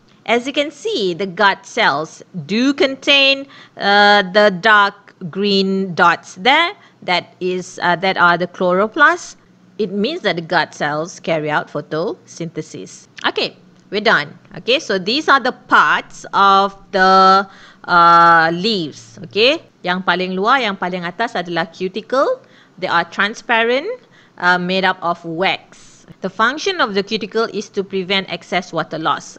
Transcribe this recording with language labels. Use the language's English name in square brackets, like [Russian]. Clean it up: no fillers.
[English] As you can see, the gut cells do contain the dark green dots there. That are the chloroplasts. It means that the gut cells carry out photosynthesis. Okay. We're done. Okay, so these are the parts of the leaves. [Malay] Okay, yang paling luar, yang paling atas adalah cuticle. [English] They are transparent, made up of wax. The function of the cuticle is to prevent excess water loss.